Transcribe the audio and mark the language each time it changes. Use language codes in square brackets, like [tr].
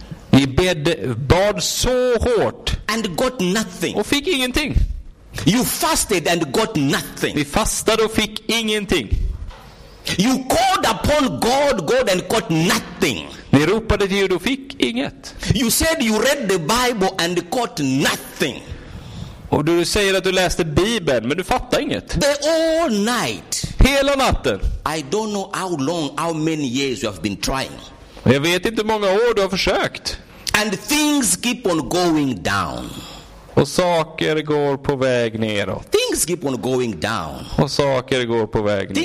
[sv] Vi bad så hårt. [en] And got nothing. [sv] Och fick ingenting. [en] You fasted and got nothing. [sv] Vi fastade och fick ingenting. [en] You called upon God and got nothing. [sv] Ni ropade till Gud och fick inget. [en] You said you read the Bible and got nothing. [sv] Och du säger att du läste Bibeln men du fattar inget. [en] The all night. [sv] Hela natten. [en] I don't know how long, how many years you have been trying. [sv] Jag vet inte hur många år du har försökt. [en] And things keep on going down. [sv] Och saker går på väg neråt. [en] Things keep on going down. [sv] Och saker går på väg neråt.